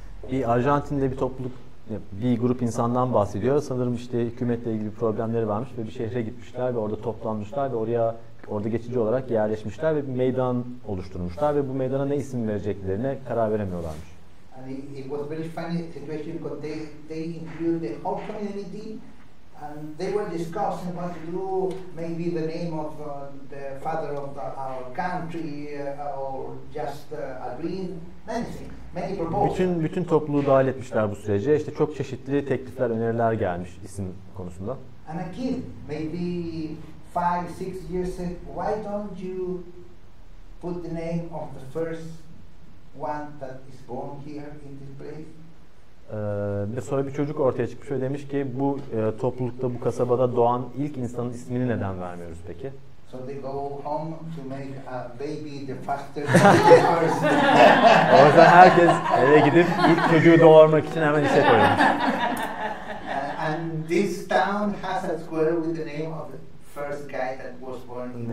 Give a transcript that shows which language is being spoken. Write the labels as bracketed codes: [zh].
[tr] Bir Arjantin'de bir topluluk, bir grup insandan bahsediyor. Sanırım işte hükümetle ilgili problemleri varmış ve bir şehre gitmişler ve orada toplanmışlar ve orada geçici olarak yerleşmişler ve bir meydan oluşturmuşlar ve bu meydana ne isim vereceklerine karar veremiyorlarmış. [en] And it was a very funny situation because they included the whole community. And they were discussing what to do, maybe the name of the father of our country, or just agreeing, many proposals. [tr] Bütün topluluğu dahil etmişler bu sürece. İşte çok çeşitli teklifler, öneriler gelmiş isim konusunda. [en] And a kid, maybe 5-6 years, said, why don't you put the name of the first one that is born here in this place? [tr] Sonra bir çocuk ortaya çıkmış ve demiş ki bu toplulukta, bu kasabada doğan ilk insanın ismini neden vermiyoruz peki? [en] So they go home to make a baby the faster person. [tr] O yüzden herkes eve gidip ilk çocuğu doğurmak için hemen işe koyuyor. [en] And this town has a square with the name of the first guy that was born in